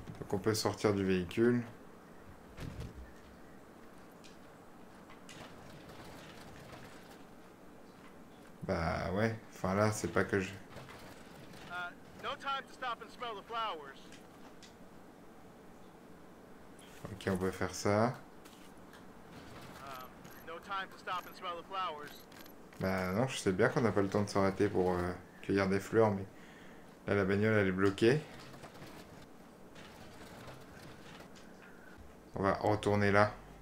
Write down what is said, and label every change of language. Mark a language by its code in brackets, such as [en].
[fr] On peut sortir du véhicule. Bah ouais, enfin là, c'est pas que je... [en] No time to stop and smell the flowers. [fr] Ok, on peut faire ça. [en] No time to stop and smell the flowers. [fr] Bah non, je sais bien qu'on n'a pas le temps de s'arrêter pour cueillir des fleurs, mais là, la bagnole, elle est bloquée. On va retourner là.